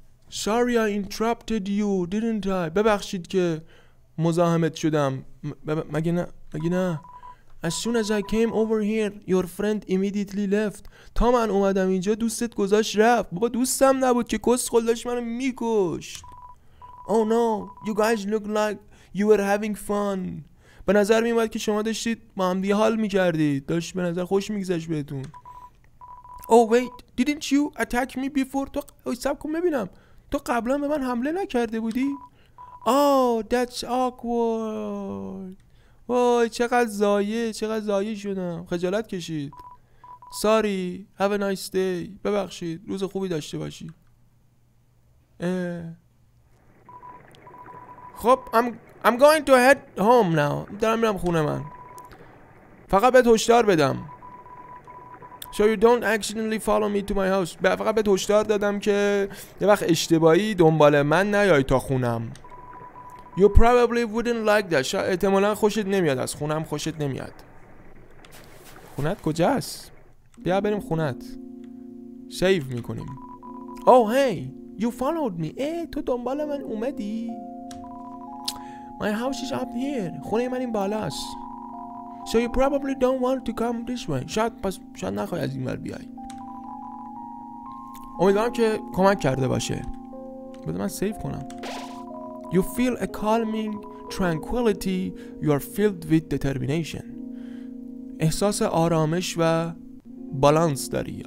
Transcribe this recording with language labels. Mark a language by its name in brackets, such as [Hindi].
[English] Sorry I interrupted you, didn't I? [Persian] ببخشید که مزاحمت شدم. مگه نه. [English] As soon as I came over here, your friend immediately left. [Persian] تا من اومدم اینجا دوستت گذاشت رفت. بابا دوستم نبود که کسخل داشت منو میکشت. [English] Oh no, you guys look like you were having fun. [Persian] به نظر میومد که شما داشتید با هم دیگه حال میکردید. داشت به نظر خوش میگذشت بهتون. [English] Oh wait, didn't you attack me before? [Persian] تو سب کن ببینم. تو قبلا به من حمله نکرده بودی؟ [English] Oh, that's awkward. [Persian] وای چقدر زایه، چقدر زایه شدم. خجالت کشید. [English] Sorry, have a nice day. [Persian] ببخشید، روز خوبی داشته باشی. [English] خب I'm going to head home now. [Persian] دارم میرم خونه من. فقط بهت هشدار بدم. [English] So you don't accidentally follow me to my house. [Persian] فقط بهت هشدار دادم که یه وقت اشتباهی دنبال من نیای تا خونم. [English] You probably wouldn't like that. [Persian] احتمالاً خوشت نمیاد از خونم، خوشت نمیاد. خونت کجاست؟ بیا بریم خونت. سیو میکنیم. [English] Oh hey, you followed me. [Persian] تو دنبال من اومدی؟ [English] My house is up here. [Persian] خونه من این بالاست. [English] So you probably don't want to come this way. [Persian] شاید نخوای از این ور بیای. امیدوارم که کمک کرده باشه. بذار من سیو کنم. [English] You feel a calming tranquility. You are filled with determination. [Persian] احساس آرامش و بالانس داری.